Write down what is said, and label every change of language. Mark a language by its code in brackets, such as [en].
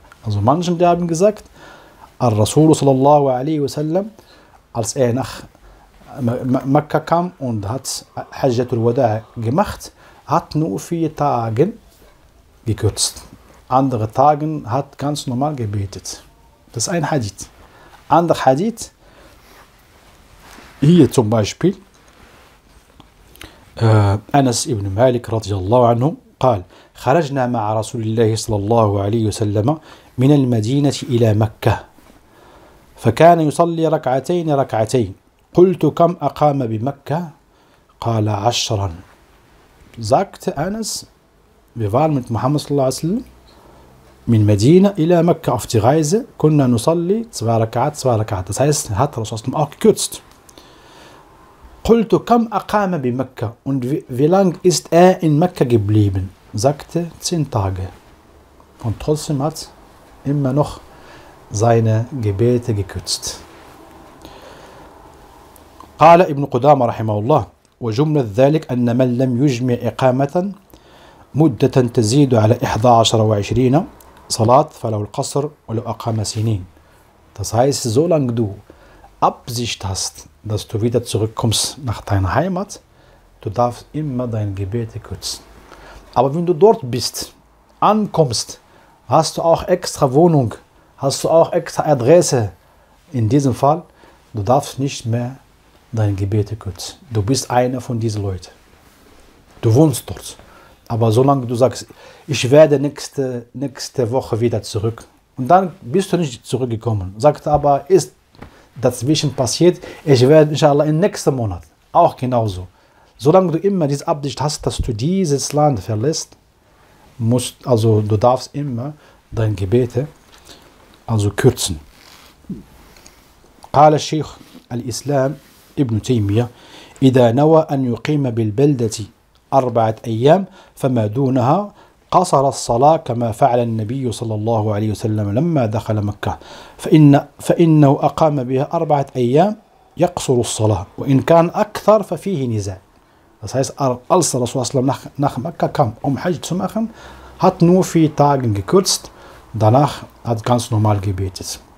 [de] Also manche, die haben gesagt, Al-Rasul sallallahu alaihi wasallam, als er nach Mekka kam und hat Hajjatul Wada gemacht, hat nur 4 Tage gekürzt. Andere Tage hat ganz normal gebetet. Das ist ein Hadith. Andere Hadith, hier zum Beispiel, [ar] Anas ibn Malik radiallahu anhu, قال: خرجنا مع رسول الله صلى الله عليه وسلم من المدينة إلى مكة، فكان يصلي ركعتين ركعتين. قلت: كم أقام بمكة؟ قال: 10. [de] sagte Anas, wir waren mit Muhammad sallallahu alaihi wa sallam [ar] min Medina ila Mekka [de] auf die Reise, [ar] kunna nusalli 2 Rakat, 2 Rakat. [de] Das heißt, er hat Rasulullah auch gekürzt. [ar] Qultu kam aqama bi Mekka? [de] Und wie lang ist er in Mekka geblieben? Sagte, 10 Tage. Und trotzdem hat er immer noch seine Gebete gekürzt. [ar] Qala ibn Qudama rahimahullah: وجملة ذلك أن من لم يجمع إقامة مدة تزيد على 11 و20 صلاة فله القصر ولو أقام سنين. [de] Das heißt, solange du Absicht hast, dass du wieder zurückkommst nach deiner Heimat, du darfst immer dein Gebete kürzen. Aber wenn du dort bist, ankommst, hast du auch extra Wohnung, hast du auch extra Adresse. In diesem Fall, du darfst nicht mehr dein Gebete kürzen. Du bist einer von diesen Leuten. Du wohnst dort. Aber solange du sagst, ich werde nächste Woche wieder zurück, und dann bist du nicht zurückgekommen. Sagt aber, ist dazwischen passiert, ich werde inshallah im nächsten Monat. Auch genauso. Solange du immer diese Absicht hast, dass du dieses Land verlässt, also du darfst immer dein Gebete also kürzen. [ar] Qala Sheikh al-Islam ابن تيمية: إذا نوى أن يقيم بالبلدة 4 أيام فما دونها قصر الصلاة كما فعل النبي صلى الله عليه وسلم لما دخل مكة، فإنه أقام بها 4 أيام يقصر الصلاة، وإن كان أكثر ففيه نزاع. [de] Das heißt, als der Rasul sallam nach Mekka kam, um Hajj zu machen, hat nur 4 Tage gekürzt, danach hat ganz normal gebetet.